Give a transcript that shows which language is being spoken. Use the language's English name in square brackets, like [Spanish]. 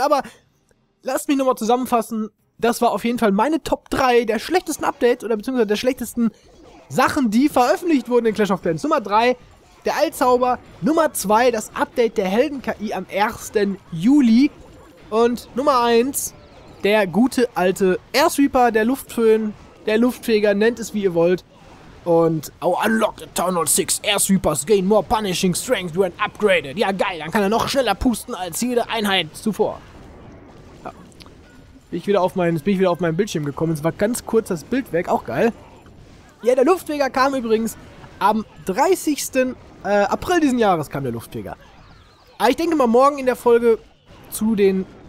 [German] Aber lasst mich nochmal zusammenfassen. Das war auf jeden Fall meine Top 3 der schlechtesten Updates oder beziehungsweise der schlechtesten Sachen, die veröffentlicht wurden in Clash of Clans. Nummer 3, der Eilzauber. Nummer 2, das Update der Helden-KI am 1. Juli. Und Nummer 1, der gute alte Airsweeper, der Luftföhn, der Luftfeger, nennt es wie ihr wollt. [English] Und, unlock the Tunnel 6, Airsweepers gain more punishing strength when upgraded. [German] Ja geil, dann kann er noch schneller pusten als jede Einheit zuvor. Ja. Bin ich wieder auf meinen Bildschirm gekommen, es war ganz kurz das Bild weg, auch geil. Ja, der Luftfeger kam übrigens am 30. April diesen Jahres kam der Luftfeger. Aber ich denke mal, morgen in der Folge zu den